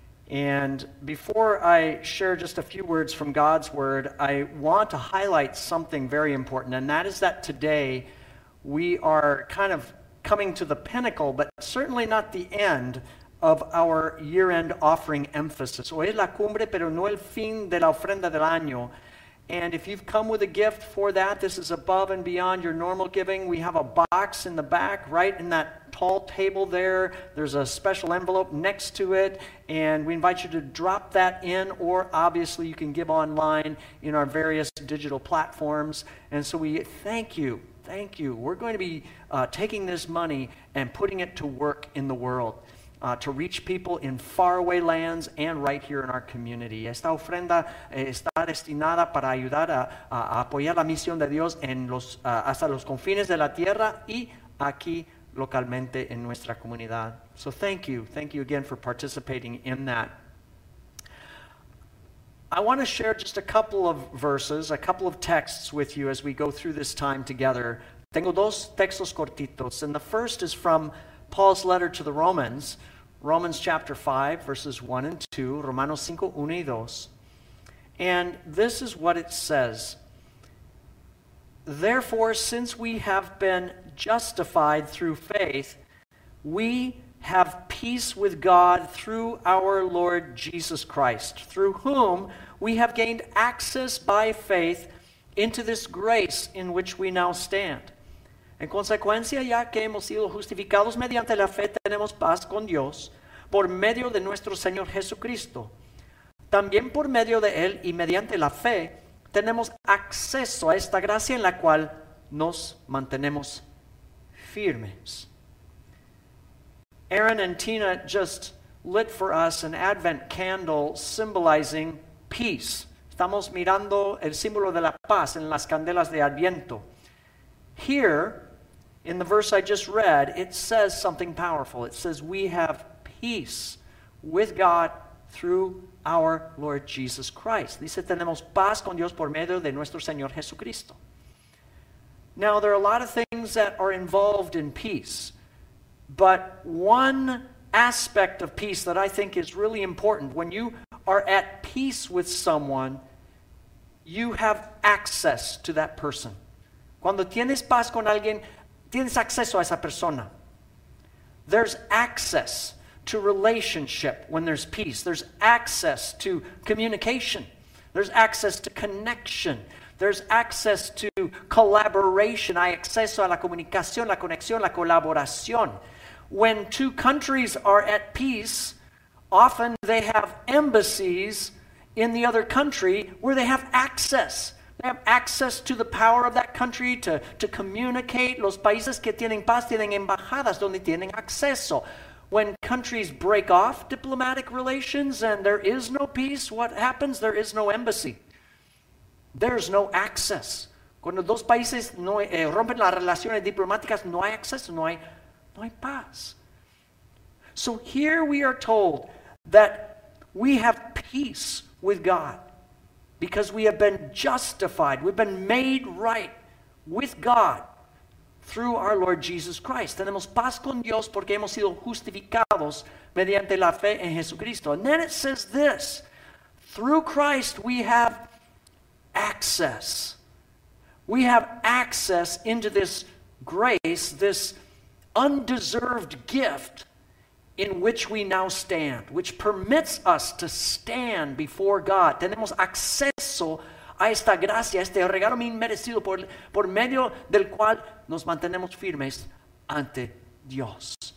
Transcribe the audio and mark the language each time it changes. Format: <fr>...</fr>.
<en>And before I share just a few words from God's word, I want to highlight something very important, and that is that today we are kind of coming to the pinnacle, but certainly not the end, of our year-end offering emphasis.</en> <es>Hoy es la cumbre, pero no el fin de la ofrenda del año.</es> <en>And if you've come with a gift for that, this is above and beyond your normal giving. We have a box in the back, right in that tall table there. There's a special envelope next to it, and we invite you to drop that in, or obviously you can give online in our various digital platforms. And so we thank you. Thank you. We're going to be taking this money and putting it to work in the world to reach people in faraway lands and right here in our community.</en> <es>Esta ofrenda está destinada para ayudar a apoyar la misión de Dios en los hasta los confines de la tierra y aquí localmente en nuestra comunidad.</es> <en>So thank you. Thank you again for participating in that. I want to share just a couple of verses, a couple of texts with you as we go through this time together.</en> <es>Tengo dos textos cortitos,</es> <en>and the first is from Paul's letter to the Romans, Romans chapter 5, verses 1 and 2,</en> <es>Romanos 5, 1 y 2.</es> <en>And this is what it says. Therefore, since we have been justified through faith, we have peace with God through our Lord Jesus Christ, through whom we have gained access by faith into this grace in which we now stand.</en> <es>En consecuencia, ya que hemos sido justificados mediante la fe, tenemos paz con Dios por medio de nuestro Señor Jesucristo. También por medio de Él y mediante la fe, tenemos acceso a esta gracia en la cual nos mantenemos firmes.</es> <en>Aaron and Tina just lit for us an Advent candle symbolizing peace.</en> <es>Estamos mirando el símbolo de la paz en las candelas de Adviento.</es> <en>Here, in the verse I just read, it says something powerful. It says we have peace with God through our Lord Jesus Christ.</en> <es>Dice, tenemos paz con Dios por medio de nuestro Señor Jesucristo.</es> <en>Now, there are a lot of things that are involved in peace. But one aspect of peace that I think is really important, when you are at peace with someone, you have access to that person.</en> <es>Cuando tienes paz con alguien, tienes acceso a esa persona.</es> <en>There's access to relationship when there's peace. There's access to communication. There's access to connection. There's access to collaboration.</en> <es>Hay acceso a la comunicación, la conexión, la colaboración.</es> <en>When two countries are at peace, often they have embassies in the other country where they have access. They have access to the power of that country to communicate.</en> <es>Los países que tienen paz tienen embajadas donde tienen acceso.</es> <en>When countries break off diplomatic relations and there is no peace, what happens? There is no embassy. There's no access.</en> <es>Cuando dos países no rompen las relaciones diplomáticas, no hay acceso, no hay paz.</es> <en>So here we are told that we have peace with God because we have been justified. We've been made right with God through our Lord Jesus Christ.</en> <es>Tenemos paz con Dios porque hemos sido justificados mediante la fe en Jesucristo.</es> <en>And then it says this, through Christ we have access. We have access into this grace, this undeserved gift in which we now stand, which permits us to stand before God.</en> <es>Tenemos acceso a esta gracia, este regalo inmerecido por medio del cual nos mantenemos firmes ante Dios.</es>